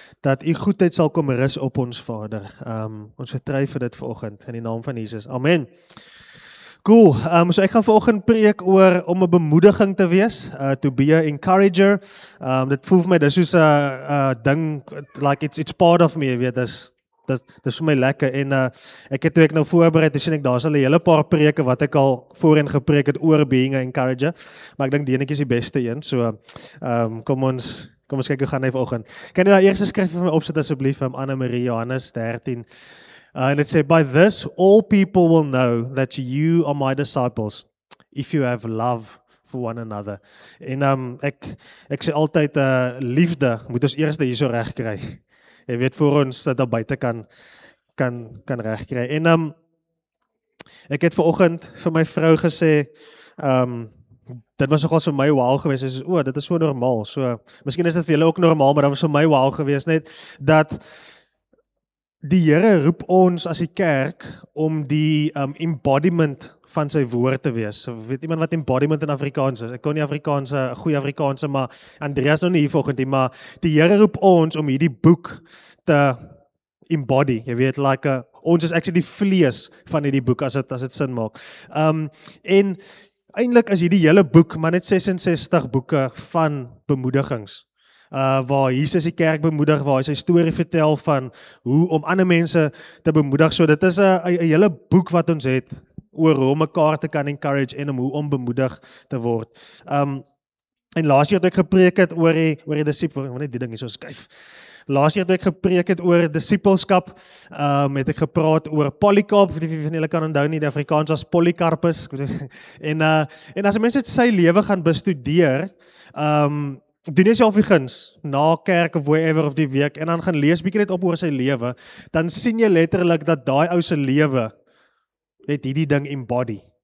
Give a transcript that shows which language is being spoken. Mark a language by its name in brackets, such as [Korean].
[Afrikaans] Dat u goedheid sal kom rus op ons, Vader. Ons vertrou vir dit vanoggend, in die naam van Jesus. Amen. Cool, so ek gaan vanoggend preek oor om 'n bemoediging te wees, [English] to be an encourager. [Afrikaans] Dit voel vir my, dis soos 'n ding, [English] like it's part of me, [Afrikaans] weet, dis vir my lekker. En ek het toe ek nou voorbereid, sien ek, daar is al 'n hele paar preke wat ek al voorheen gepreek het oor [English] being an encourager. [Afrikaans] Maar ek dink die enetjie is die beste een, so kom ons kyk hoe gaan hy vanoggend. Kan jy daar eerste skrif vir my opsit asseblief, Anne-Marie, Johannes 13. [English] And it said, by this, all people will know that you are my disciples, if you have love for one another. [Afrikaans] En ek sê altyd, liefde moet ons eerste hier so reg kry. Jy weet, voor ons dat daar buiten kan reg kry. En ek het vanoggend vir my vrou gesê, dit was nogals vir my wow geweest. Dit is so normaal. So, miskien is dit vir julle ook normaal, maar dat was vir my wow geweest net, dat die Here roep ons as die kerk om die embodiment van sy woord te wees. Weet iemand wat embodiment in Afrikaans is? Ek kon nie Afrikaanse, goeie Afrikaanse, maar Andreas nog nie hier volgend nie, maar die Here roep ons om hierdie boek te embody. Jy weet, like, ons is actually die vlees van hierdie boek, as het sin maak. En eindelijk is hierdie hele boek, maar net 66 boeke van bemoedigings. Waar Jesus die kerk bemoedig, waar hy sy story vertel van hoe om ander mense te bemoedig. So dit is een hele boek wat ons het oor hoe om mekaar te kan encourage en om hoe om bemoedig te word. En laas jaar toe ek gepreek het oor die disipel, want die ding is so skuif. Laas jaar toe ek gepreek het oor disipelskap, het ek gepraat oor Polycarp, die van julle kan onthou nie, die Afrikaans as Polycarpus. En as die mense sy lewe gaan bestudeer, doen jy self die guns, na kerk of wherever of die week, en dan gaan lees bykie net op oor sy lewe, dan sien jy letterlik dat die ou sy lewe het die ding embody.